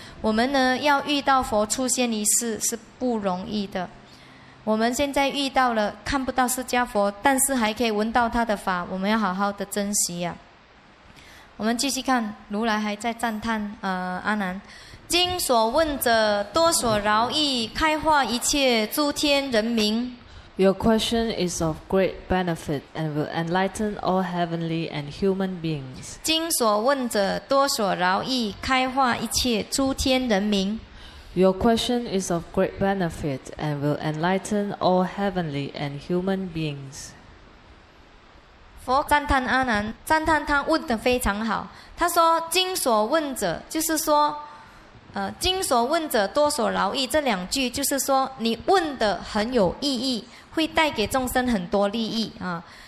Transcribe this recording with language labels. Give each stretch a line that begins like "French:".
Chinese: 我们呢要遇到佛出现一世是不容易的，我们现在遇到了看不到释迦佛，但是还可以闻到他的法，我们要好好的珍惜啊。我们继续看，如来还在赞叹阿难，经所问者多所饶益，开化一切诸天人民。
English: Your question is of great benefit and will enlighten all heavenly and human beings.
Chinese: 经所问者多所饶益，开化一切诸天人民。
English: Your question is of great benefit and will enlighten all heavenly and human beings.
Chinese: 佛赞叹阿难，赞叹他问得非常好。他说经所问者，就是说经所问者多所饶益，这两句就是说你问得很有意义，会带给众生很多利益啊。